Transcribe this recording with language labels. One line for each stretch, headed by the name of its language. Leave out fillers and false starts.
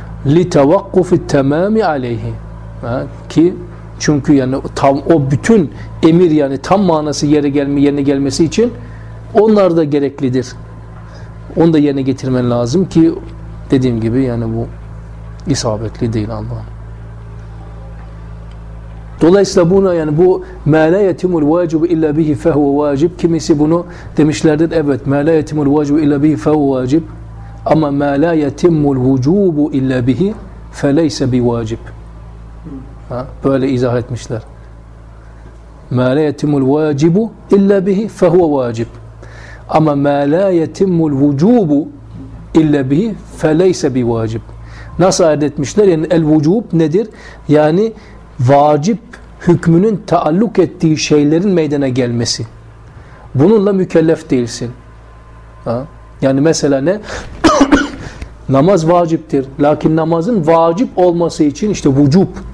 Turkish: Litevakkufi temami aleyhi. Ki çünkü yani tam o bütün emir yani tam manası yerine gelmesi için onlar da gereklidir. Onu da yerine getirmen lazım ki dediğim gibi yani bu isabetli değil Allah'ın. Dolayısıyla buna yani bu
Arabic: مَلَيَتِمُ الْوَاجِبُ اِلَّا بِهِ فَهُوَ وَاجِبُ
Turkish: Kimisi bunu demişlerdir. Evet.
Arabic: مَلَيَتِمُ الْوَاجِبُ اِلَّا بِهِ فَهُوَ وَاجِبُ اَمَا مَلَيَتِمُ الْوُجُوبُ اِلَّا بِهِ فَلَيْسَ بِوَاجِبُ
Turkish: Böyle izah etmişler.
Arabic: مَلَيَتِمُ الْوَاجِبُ اِلَّا بِهِ فَهُوَ وَاجِبُ اَمَا مَلَيَتِمُ الْوُجُوبُ اِلَّا بِهِ فَلَيْسَ بِوَاجِبُ
Turkish: Nasıl ayet etmişler? Yani el-vucub nedir? Yani vacip hükmünün taalluk ettiği şeylerin meydana gelmesi. Bununla mükellef değilsin. Ha? Yani mesela ne? Namaz vaciptir. Lakin namazın vacip olması için işte vücub